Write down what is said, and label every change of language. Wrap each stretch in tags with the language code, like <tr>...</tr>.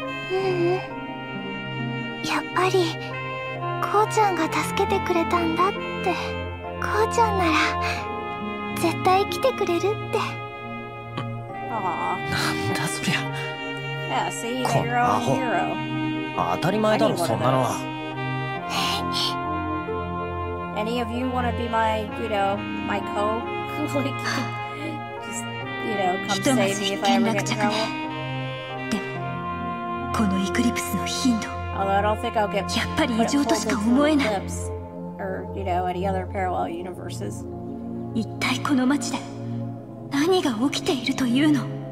<ja>ううん、やっぱりこうちゃんが助けてくれたんだって。こうちゃんなら絶対来てくれるって。なんだそりゃ。こんなアホ。当たり前だろそんなのは。</ja> <en>Any of you wanna be my, you know, my co? Like, just, you know, come save me if I ever get in trouble.</en> <ja>でもこのイクリプスの頻度。</ja> <en>Although I don't think I'll get</en> <ja>やっぱり異常としか思えない。</ja> <en>Or, you know, any other parallel universes.</en> <ja>一体この町で何が起きているというの。</ja>